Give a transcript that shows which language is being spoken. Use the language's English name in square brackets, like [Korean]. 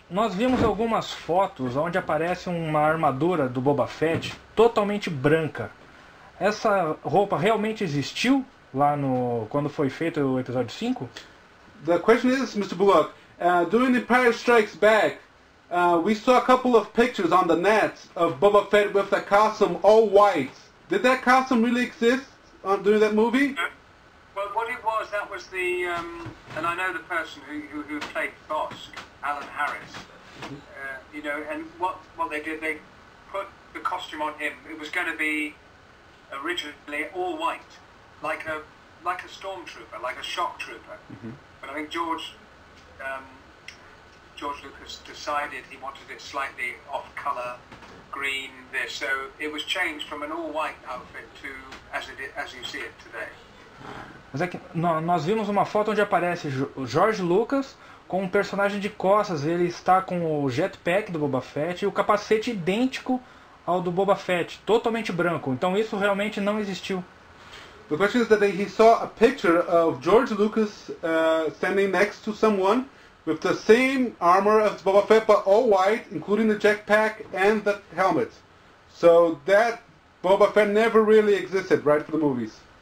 [Portuguese] Nós vimos algumas fotos onde aparece uma armadura do Boba Fett totalmente branca. Essa roupa realmente existiu lá no quando foi feito o episódio 5? [English] The question is, Mr. Bullock, during Empire Strikes Back, we saw a couple of pictures on the net of Boba Fett with the costume all white. Did that costume really exist during that movie? Well, what it was, that was the, and I know the person who played Bosk, Alan Harris, you know, and what they did, they put the costume on him. It was going to be originally all white, like a stormtrooper, like a shock trooper. Mm-hmm. But I think George Lucas decided he wanted it slightly off-color, green, this, so it was changed from an all-white outfit to, as you see it today. [Portuguese] Mas é que nós vimos uma foto onde aparece o George Lucas com um personagem de costas. Ele está com o jetpack do Boba Fett e o capacete idêntico ao do Boba Fett, totalmente branco. Então isso realmente não existiu. [English] The question is that he saw a picture of George Lucas standing next to someone with the same armor as Boba Fett, but all white, including the jetpack and the helmet. So that Boba Fett never really existed, right, for the movies.